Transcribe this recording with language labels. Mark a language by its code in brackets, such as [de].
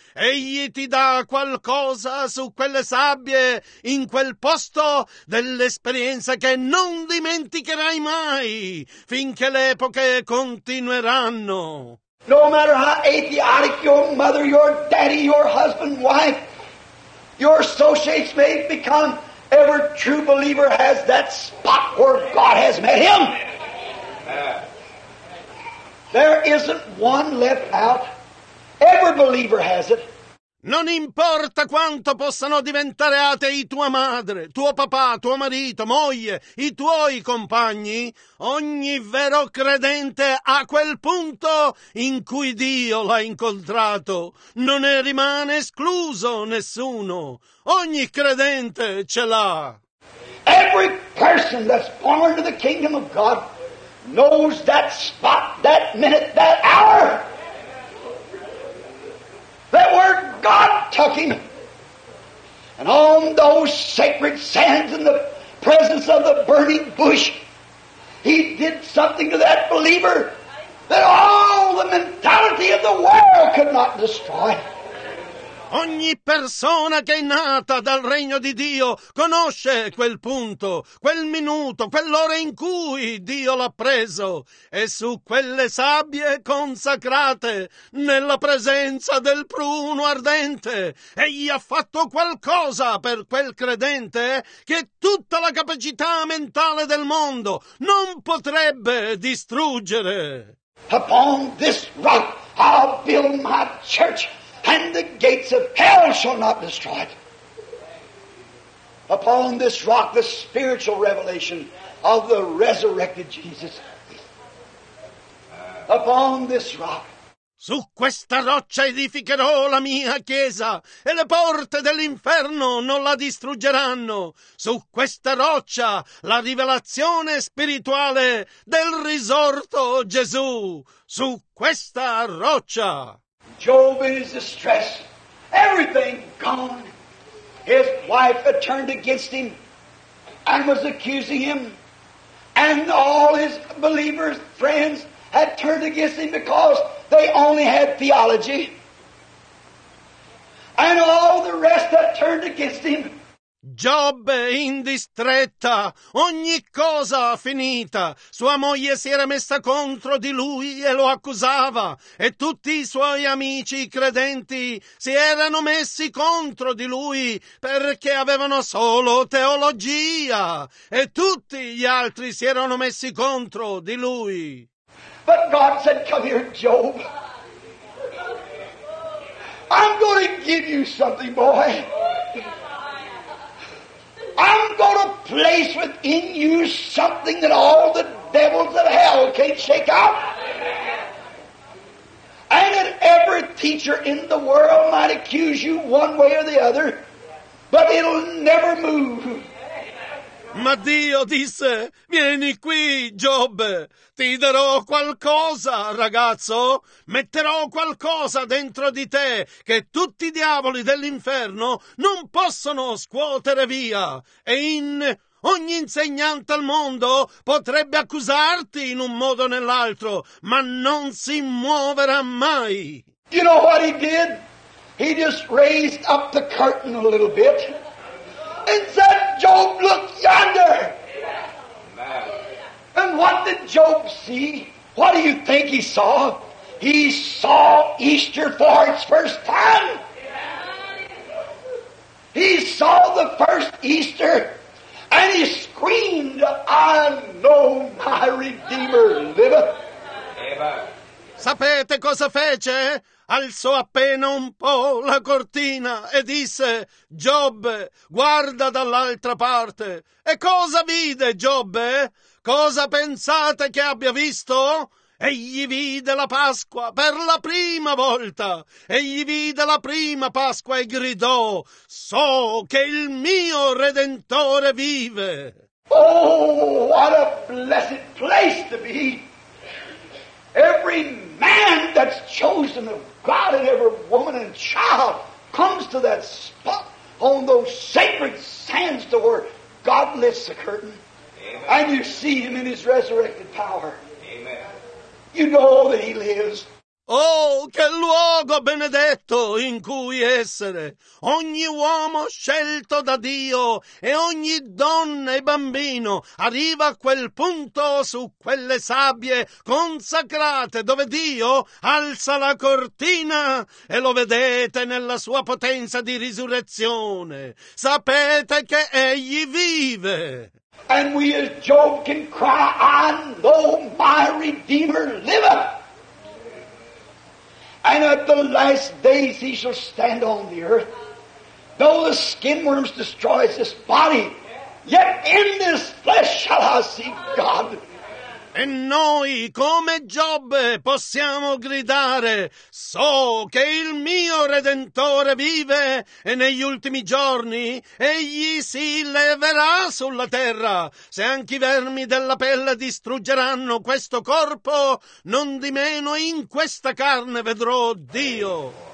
[it] Egli ti dà qualcosa su quelle sabbie, in quel posto dell'esperienza che non dimenticherai mai, finché le epoche continueranno. [en] No matter how atheistic your mother, your daddy, your husband, wife, your associates may become, every true believer has that spot where God has met him. There isn't one left out. Every believer has it. [it] Non importa quanto possano diventare atei tua madre, tuo papà, tuo marito, moglie, i tuoi compagni, ogni vero credente ha quel punto in cui Dio l'ha incontrato. Non ne rimane escluso nessuno. Ogni credente ce l'ha. [en] Every person that's born to the kingdom of God knows that spot, that minute, that hour. That word God took him. And on those sacred sands in the presence of the burning bush, he did something to that believer that all the mentality of the world could not destroy. [it] Ogni persona che è nata dal regno di Dio conosce quel punto, quel minuto, quell'ora in cui Dio l'ha preso, e su quelle sabbie consacrate, nella presenza del pruno ardente, egli ha fatto qualcosa per quel credente che tutta la capacità mentale del mondo non potrebbe distruggere. [en] Upon this rock I'll build my church. And the gates of hell shall not destroy it. Upon this rock, the spiritual revelation of the resurrected Jesus. Upon this rock. [it] Su questa roccia edificherò la mia chiesa e le porte dell'inferno non la distruggeranno. Su questa roccia la rivelazione spirituale del risorto Gesù. Su questa roccia. [en] Job in his distress, everything gone. His wife had turned against him and was accusing him. And all his believers, friends, had turned against him because they only had theology. And all the rest had turned against him. [it] Giobbe in distretta, ogni cosa finita. Sua moglie si era messa contro di lui e lo accusava, e tutti i suoi amici credenti si erano messi contro di lui perché avevano solo teologia, e tutti gli altri si erano messi contro di lui. [en] But God said, come here, Job. I'm going to give you something, boy. I'm going to place within you something that all the devils of hell can't shake out. And that every teacher in the world might accuse you one way or the other, but it'll never move. [it] Ma Dio disse, vieni qui, Giobbe, ti darò qualcosa, ragazzo, metterò qualcosa dentro di te che tutti i diavoli dell'inferno non possono scuotere via. E in ogni insegnante al mondo potrebbe accusarti in un modo o nell'altro, ma non si muoverà mai. [en] You know what he did? He just raised up the curtain a little bit. And said, Job, look yonder. Amen. And what did Job see? What do you think he saw? He saw Easter for its first time. Amen. He saw the first Easter and he screamed, I know my Redeemer liveth. [it] Sapete cosa fece? Alzò appena un po' la cortina e disse, Giobbe, guarda dall'altra parte. E cosa vide, Giobbe? Cosa pensate che abbia visto? Egli vide la Pasqua per la prima volta. Egli vide la prima Pasqua e gridò, so che il mio Redentore vive. [en] Oh, what a blessed place to be. Every man that's chosen of God and every woman and child comes to that spot on those sacred sands to where God lifts the curtain. Amen. And you see him in his resurrected power. Amen. You know that he lives. [it] Oh, che luogo benedetto in cui essere! Ogni uomo scelto da Dio e ogni donna e bambino arriva a quel punto su quelle sabbie consacrate dove Dio alza la cortina e lo vedete nella sua potenza di risurrezione. Sapete che egli vive! [en] And we as Job can cry, I know my Redeemer liveth! And at the last days he shall stand on the earth. Though the skin worms destroys this body, yet in this flesh shall I see God. [it] E noi, come Giobbe, possiamo gridare, so che il mio Redentore vive e negli ultimi giorni egli si leverà sulla terra. Se anche i vermi della pelle distruggeranno questo corpo, non di meno in questa carne vedrò Dio.